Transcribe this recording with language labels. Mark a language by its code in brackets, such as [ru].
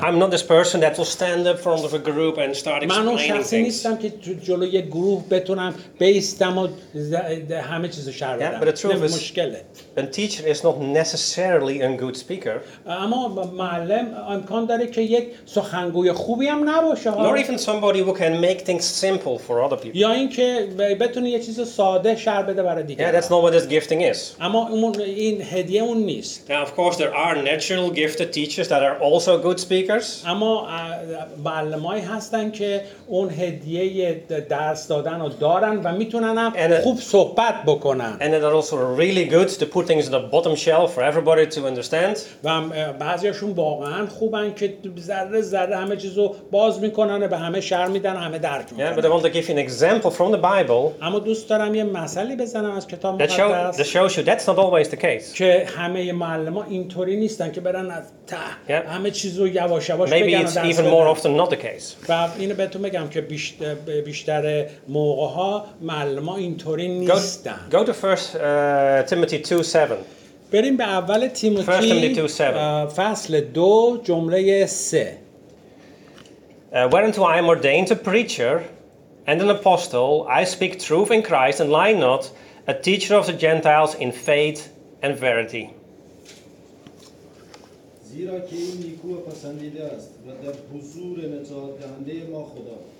[en] I'm not this person that will stand up front of a group and start explaining things. [fa] من اون شخصی نیستم که جلوی گروه بتونم بیستم و همه چیزو شرح بدم. [en] But the truth is, a teacher is not necessarily a good speaker. [fa] اما معلم امکان داره که یک سخنگوی خوبی هم نباشه. [en] Or even somebody who can make things simple for other people. [fa] یا اینکه بتونه یه چیز ساده شرح بده برای دیگران. [en] Yeah, that's not what this gifting is. [fa] اما این هدیه اون نیست. [en] Now, of course, there are natural gifted teachers that are also good speakers. [fa] اما معلمایی هستن که اون هدیه درس دادن رو دارن و میتونن خوب صحبت بکنن. [en] And they're also really good to put things in the bottom shelf for everybody to understand. [fa] و بعضیاشون واقعا خوبن که ذره ذره همه چیزو باز میکنن و به همه شرح میدن همه درک میکنن. [en] Yeah, but I want to give you an example from the Bible. [fa] اما دوست دارم یه مثالی بزنم از کتاب مقدس. [en] That's not always the case. [fa] که همه معلم‌ها اینطوری نیستن که برن از ته همه چیزو یواش یواش بگن. [en] Maybe it's even more often not the case. [fa] و اینو بهتون میگم که بیشتر موقع‌ها معلم‌ها اینطوری نیستن. [en] Go to 1 Timothy 2:7. [fa] بریم به اول تیموتی فصل 2 جمله 3. [en] Whereunto I am ordained a preacher and an apostle, I speak truth in Christ and lie not, a teacher of the Gentiles in faith and verity. [fa] زیرا که این نیکو و پسندیده است و در حضور نجات دهنده ما خدا.